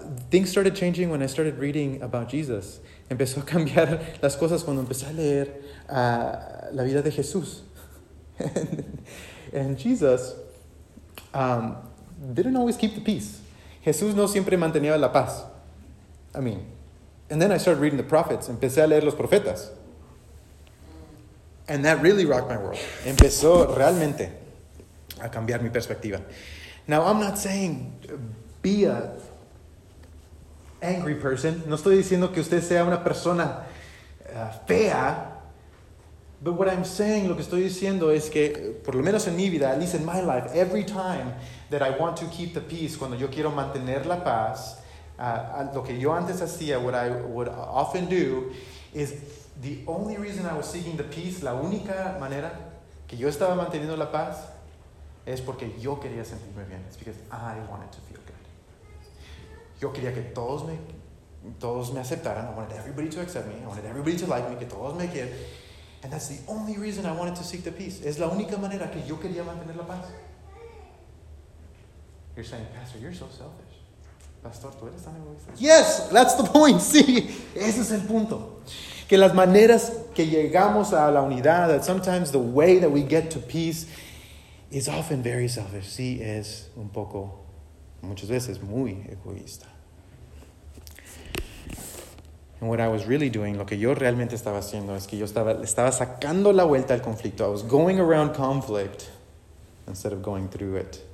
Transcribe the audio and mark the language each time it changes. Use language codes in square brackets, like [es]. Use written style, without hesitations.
[en] Things started changing when I started reading about Jesus. [es] Empezó a cambiar las cosas cuando empecé a leer la vida de Jesús. [en] And Jesus didn't always keep the peace. [es] Jesús no siempre mantenía la paz. [en] I mean, and then I started reading the prophets. [es] Empecé a leer los profetas. [en] And that really rocked my world. [es] Empezó realmente a cambiar mi perspectiva. [en] Now, I'm not saying be a angry person. [es] No estoy diciendo que usted sea una persona fea. [en] But what I'm saying, [es] lo que estoy diciendo es que, por lo menos en mi vida, [en] at least in my life, every time that I want to keep the peace, [es] cuando yo quiero mantener la paz, lo que yo antes hacía, [en] what I would often do, is the only reason I was seeking the peace, [es] la única manera que yo estaba manteniendo la paz, es porque yo quería sentirme bien. [en] It's because I wanted to feel good. [es] Yo quería que todos me todos me aceptaran. [en] I wanted everybody to accept me. I wanted everybody to like me. [es] Que todos me quieran. [en] And that's the only reason I wanted to seek the peace. [es] Es la única manera que yo quería mantener la paz. [en] You're saying, Pastor, you're so selfish. [es] Pastor, tú eres tan egoísta. [en] Yes, that's the point. [es] Sí, ese es el punto. Que las maneras que llegamos a la unidad, [en] that sometimes the way that we get to peace is often very selfish. [es] Sí, es un poco, muchas veces, muy egoísta. [en] And what I was really doing, [es] lo que yo realmente estaba haciendo, es que yo estaba sacando la vuelta al conflicto. [en] I was going around conflict instead of going through it.